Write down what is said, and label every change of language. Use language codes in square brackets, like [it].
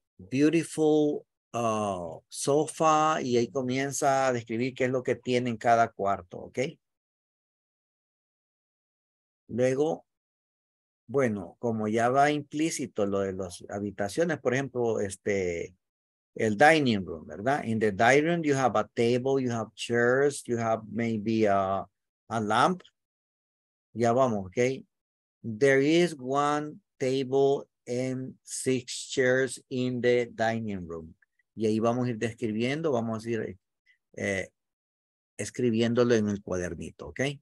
[en] Beautiful sofa, [es] y ahí comienza a describir qué es lo que tiene en cada cuarto, ¿ok? Luego, bueno, como ya va implícito lo de las habitaciones, por ejemplo, el dining room, ¿verdad? [en] In the dining room, you have a table, you have chairs, you have maybe a lamp. [es] Ya vamos, ¿ok? [en] There is one table and six chairs in the dining room. [es] Y ahí vamos a ir describiendo, vamos a ir escribiéndolo en el cuadernito, ¿ok?